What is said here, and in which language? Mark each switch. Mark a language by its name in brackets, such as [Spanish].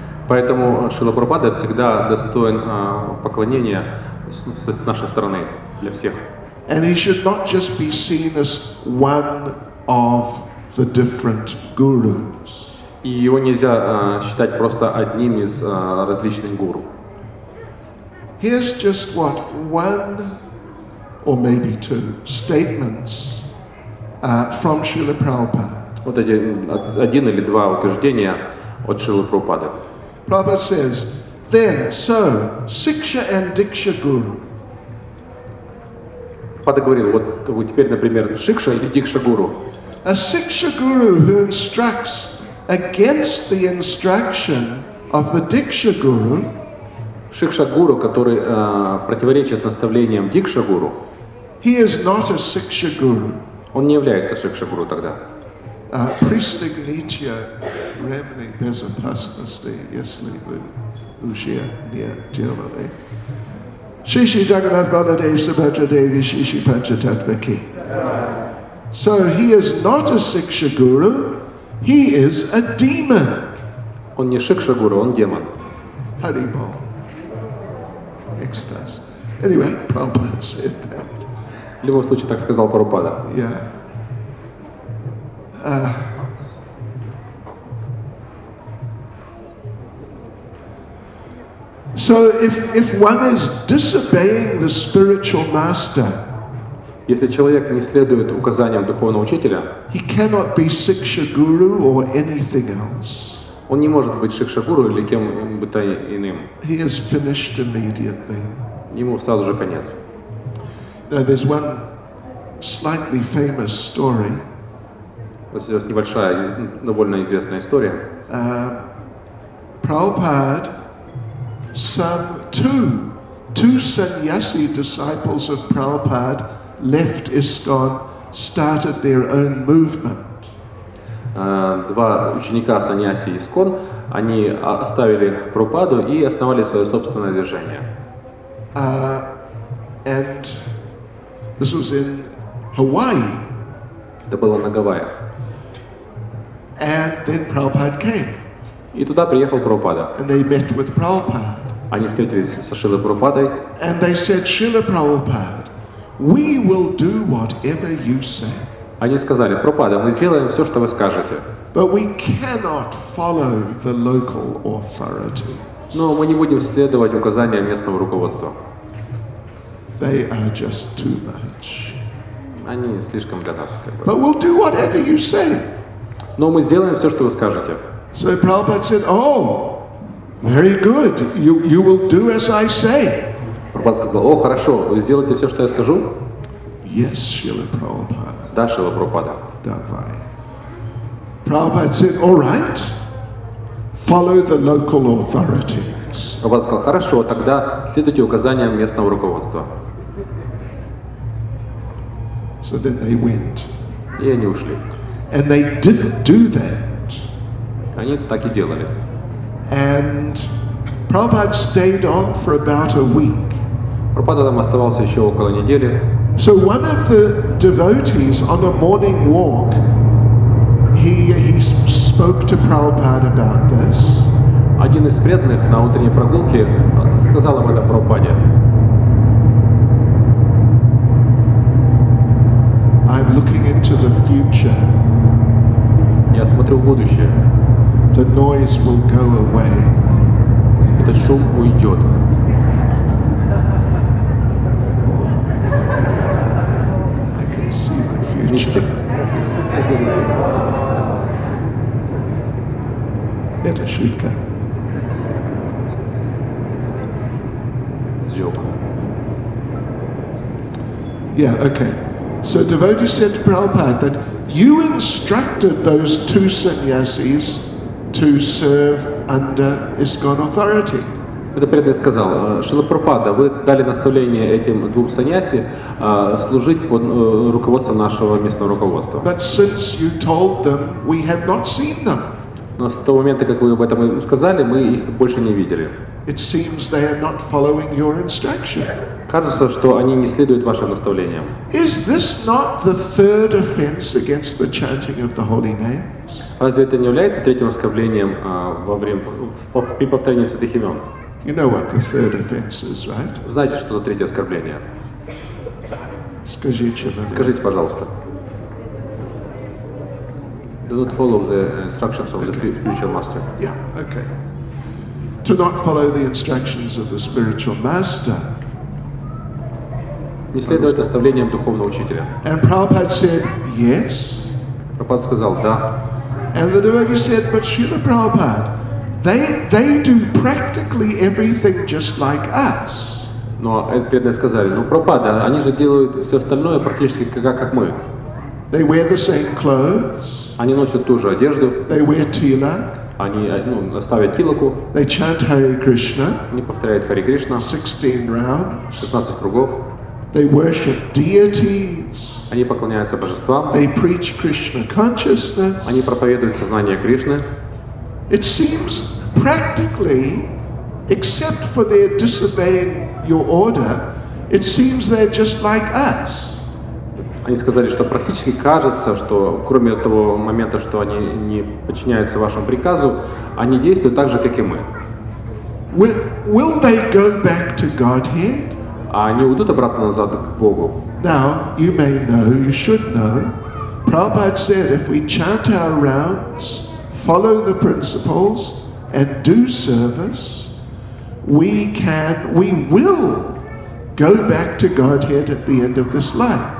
[Russian] Поэтому Шрила Прабхупада всегда достоин поклонения с нашей стороны для всех. [English] And he should not just be seen as one of the different gurus. [Russian] И его нельзя считать просто одним из различных гуру. [English] Here's just what one or maybe two statements from Srila Prabhupada. [Russian] Вот один или два утверждения от Шрилы Прабхупады. [English] Prabhupada says, then, so, siksha and diksha guru. [Russian] Прабхупада говорил, вот вы теперь, например, шикша или дикша гуру. [English] A siksha guru who instructs against the instruction of the diksha guru. [Russian] Шикша гуру, который противоречит наставлениям дикша гуру. [English] He is not a siksha guru. [Russian] Он не является шикша гуру тогда. Pristignitya remini bezapasnasti yasli ushya niya tiyamale. Shishi Jagannath Baladev Subhadra Devi Shishi Panchatatvaki. [English] So he is not a siksha guru, he is a demon. [Russian] Он не шикша гуру, он демон. [English] Haribol. Экстаз. Anyway, Prabhupada said that. [Russian] В любом случае, так сказал Прабхупада. [English] Yeah. So if one is disobeying the spiritual master, [Russian] если человек не следует указаниям духовного учителя, [English] he cannot be siksha guru or anything else. [Russian] Он не может быть шикша гуру или кем бы то иным. [English] He is finished immediately. [Russian] Ему сразу же конец. [English] Now there's one slightly famous story. [Russian] Вот здесь небольшая, довольно известная история. [English] Prabhupada, two sannyasi disciples of Prabhupada left ISKCON, started their own movement. [Russian] Два ученика сannyasi ISKCON, они оставили Прабхупаду и основали свое собственное движение. [English] And this was in Hawaii. [Russian] Это было на Гавайях. [English] And then Prabhupada came. [Russian] И туда приехал Прабхупада. [English] And they met with Prabhupada. [Russian] Они встретились со Шрилой Прабхупадой. [English] And they said, Srila Prabhupada, we will do whatever you say. [Russian] Они сказали, Прабхупада, мы сделаем все, что вы скажете. [English] But we cannot follow the local authority. [Russian] Но мы не будем следовать указаниям местного руководства. [English] They are just too much. [Russian] Они слишком для нас. Как бы. [English] But we'll do whatever you say. [Russian] Но мы сделаем все, что вы скажете. [English] So Prabhupada said, oh, very good, you will do as I say. [Russian] Прабхупада сказал, о, хорошо, вы сделаете все, что я скажу? [English] Yes, Srila Prabhupada. [Russian] Да, Srila Prabhupada. Давай. [English] Prabhupada said, all right, follow the local authorities. [Russian] Прабхупада сказал, хорошо, тогда следуйте указаниям местного руководства. [English] So then they went. [Russian] И они ушли. [English] And they didn't do that. [Russian] Они так и делали. [English] And Prabhupada stayed on for about a week. [Russian] Прабхупада там оставался еще около недели. [English] So one of the devotees on a morning walk, he spoke to Prabhupada about this. [Russian] Один из преданных на утренней прогулке сказал об этом Прабхупаде. [English] I'm looking into the future. [Russian] Я смотрю в будущее. [English] The noise will go away. [Russian] Этот шум уйдет. [English] I can see the future. [Russian] Это шутка. [English] Joke. Yeah, okay. So devotee said to Prabhupada that you instructed those two sannyasis to serve under ISKCON authority. [Russian] Это преданный сказал, Шрила Прабхупада, вы дали наставление этим двум саньяси служить под руководством нашего местного руководства. [English] But since you told them, we have not seen them. [Russian] Но с того момента, как вы об этом сказали, мы их больше не видели. [English] It seems they are not following your instruction. [Russian] Кажется, что они не следуют вашим наставлениям. [English] Is this not the third offense against the chanting of the holy names? [Russian] Разве это не является третьим оскорблением во время при повторении святых имен? [English] You know what the third offense is, right? [Russian] Знаете, что за третье оскорбление? Скажите, человек. Скажите, пожалуйста. [English] Do not follow the instructions of the spiritual master. Yeah. Okay. To not follow the instructions of the spiritual master. [Russian] Не следовать наставлениям духовного учителя. [English] And Prabhupada said, yes. [Russian] Прабхупада сказал, да. [English] And the devotee said, but Srila Prabhupada, They do practically everything just like us. [Russian] Но преданные сказали, ну пропада, они же делают все остальное практически как мы. [English] They wear the same clothes. [Russian] Они носят ту же одежду. [English] They wear tilak. [Russian] Они ставят тилаку. [English] They chant Hare Krishna. [Russian] Они повторяют Hare Krishna. [English] 16 rounds. [Russian] 16 кругов. [English] They worship deities. [Russian] Они поклоняются божествам. [English] They preach Krishna consciousness. [Russian] Они проповедуют сознание Кришны. [English] It seems practically, except for their disobeying your order, it seems they're just like us. [Russian] Они сказали, что практически кажется, что кроме того момента, что они не подчиняются вашему приказу, они действуют так же, как и мы. [English] Will they go back to Godhead? [Russian] А они уйдут обратно назад к Богу? [English] Now, you may know, you should know. Prabhupada said, if we chant our rounds, follow the principles and do service, we will go back to Godhead at the end of this life.